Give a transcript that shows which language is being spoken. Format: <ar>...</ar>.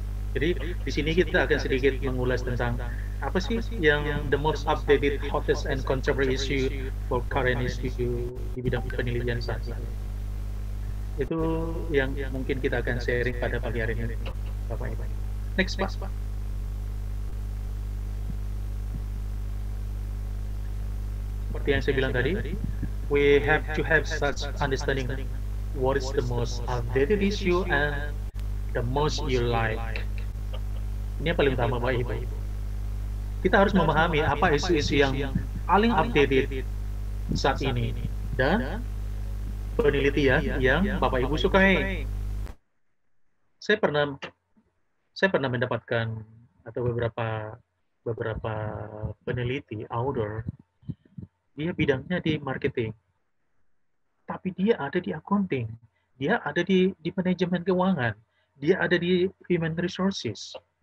<id>Jadi di sini kita akan sedikit mengulas tentang apa sih yang</id> <en>the most updated, hottest and contemporary issue for current issue</en> <id>di bidang penelitian saat ini. Itu yang mungkin kita akan sharing pada pagi hari ini, Bapak-Ibu. Next, Pak. seperti yang saya bilang tadi,</id> <en>we have to have such understanding what is the most outdated issue and the most you like.</en> <id>Ini yang paling utama, Bapak Ibu. Kita harus memahami apa isu-isu yang paling updated saat ini. Dan penelitian yang Bapak Ibu sukai. Saya pernah mendapatkan atau beberapa peneliti outdoor, dia bidangnya di marketing, tapi dia ada di accounting, dia ada di manajemen keuangan, dia ada di human resources.</id>